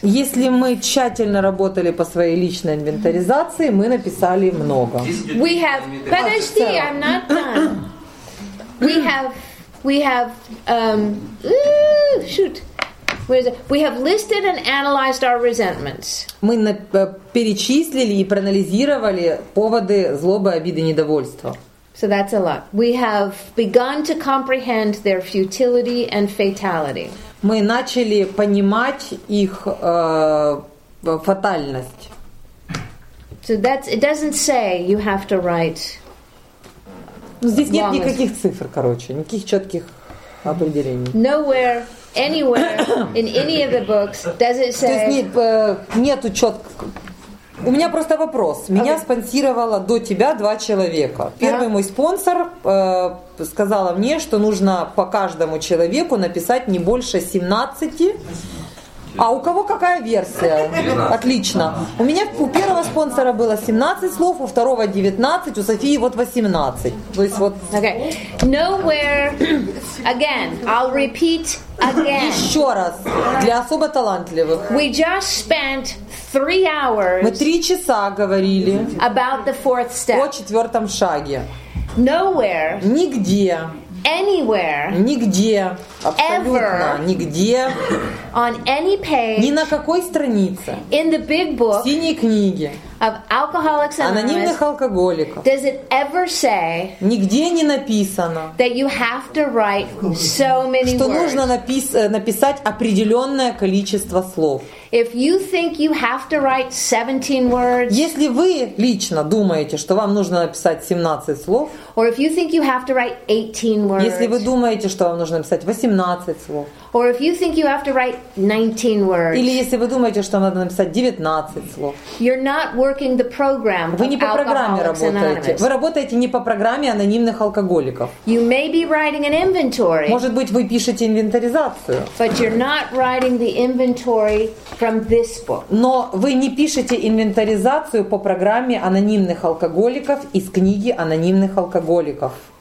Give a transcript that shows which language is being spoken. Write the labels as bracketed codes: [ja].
[ru] Если мы тщательно работали по своей личной инвентаризации, мы написали много. [en] We have. [ru] Подожди, [en] I'm not done. We have. We have listed and analyzed our resentments. [ru] Мы перечислили и проанализировали поводы злобы, обиды, недовольства. [en] So that's a lot. We have begun to comprehend their futility and fatality. [ru] мы начали понимать их фатальность. [en] So that it doesn't say you have to write. [ru] Ну, здесь нет никаких цифр, короче, никаких четких определений. [en] Nowhere, anywhere, in any of the books does it say. [ru] То есть нету четких. У меня просто вопрос. Меня спонсировало до тебя два человека. Первый мой спонсор сказала мне, что нужно по каждому человеку написать не больше 17. А у кого какая версия? 19. Отлично. У меня у первого спонсора было 17 слов, у второго 19, у Софии вот 18. То есть вот. [en] Okay. Nowhere again. I'll repeat again. [ru] Еще раз для особо талантливых. [en] We just spent 3 hours. [ru] Мы 3 часа говорили. [en] About the fourth step. [ru] О четвертом шаге. [en] Nowhere. [ru] Нигде. [en] Anywhere, [ru] нигде, [en] ever, [ru] нигде, [en] on any page, [ru] ни на какой странице, [en] in the big book, [ru] в синей книге, [en] of Alcoholics Anonymous, [ru] анонимных алкоголиков, [en] does it ever say, [ru] нигде не написано, [en] that you have to write so many [ru] что [en] words. [ru] Нужно написать определенное количество слов. [en] If you think you have to write 17 words, [ru] если вы лично думаете, что вам нужно написать 17 слов, [en] or if you think you have to write 18 words, [ru] если вы думаете, что вам нужно написать 18 слов, [en] or if you think you have to write 19 words, [ru] или если вы думаете, что надо написать 19 слов, [en] you're not working the program. [ru] Вы не по программе работаете. Вы работаете не по программе анонимных алкоголиков. [en] You may be writing an inventory. [ru] Может быть, вы пишете инвентаризацию. [en] But you're not writing the inventory from this book. [ru] Но вы не пишете инвентаризацию по программе анонимных алкоголиков из книги анонимных алкоголиков.